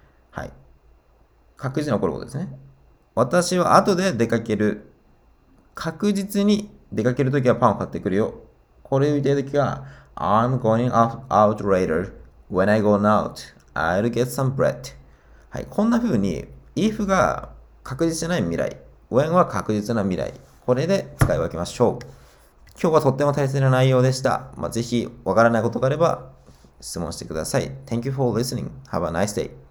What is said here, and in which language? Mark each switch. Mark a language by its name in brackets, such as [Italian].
[Japanese] はい。確実に起こることですね。私は後で出かける。確実に出かけるときはパンを買ってくるよ。これを言っているときは、 [English] I'm going out later. When I go out, I'll get some bread. [Japanese] はい。こんな風に、if が確実じゃない未来、when は確実な未来。これで使い分けましょう。今日はとっても大切な内容でした。まあ、ぜひ、わからないことがあれば、質問してください。 [English] Thank you for listening. Have a nice day.